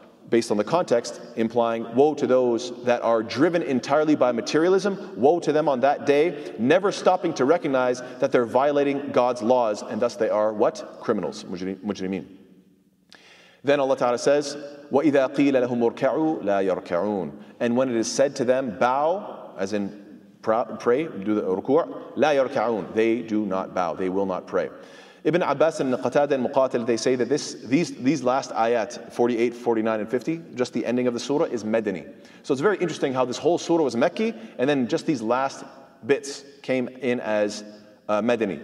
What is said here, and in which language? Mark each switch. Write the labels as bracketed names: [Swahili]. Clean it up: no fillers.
[English] Based on the context, implying woe to those that are driven entirely by materialism, woe to them on that day, never stopping to recognize that they're violating God's laws, and thus they are what? Criminals, mujrimeen. Then Allah Ta'ala says, [Arabic] وَإِذَا قِيلَ لَهُمُ ارْكَعُوا لَا يَرْكَعُونَ. [English] And when it is said to them, bow, as in pray, do the ruku', [Arabic] لَا يَرْكَعُونَ. [English] They do not bow, they will not pray. Ibn Abbas and Qatada and Muqatil, they say that these last ayat, 48, 49, and 50, just the ending of the surah, is Madani. So it's very interesting how this whole surah was Mekki, and then just these last bits came in as Madani.